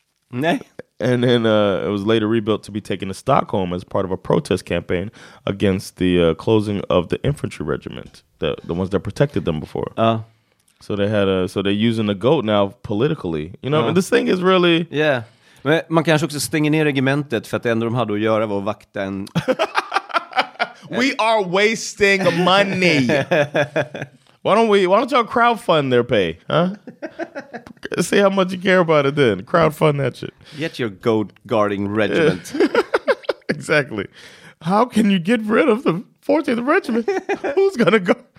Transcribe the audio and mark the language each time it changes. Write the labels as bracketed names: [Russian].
[English] Nah. And then it was later rebuilt to be taken to Stockholm as part of a protest campaign against the closing of the infantry regiment, the ones that protected them before. So they had a, so they're using the goat now politically. You know, this thing is really... Yeah. [Swedish] Men man kanske också stänger ner regimentet för att det enda de hade att göra var att vakta en... [English] We are wasting money. Why don't y'all crowdfund their pay, huh? See how much you care about it then. Crowdfund that shit. Get your goat guarding regiment. Exactly. How can you get rid of the 14th regiment? Who's gonna go?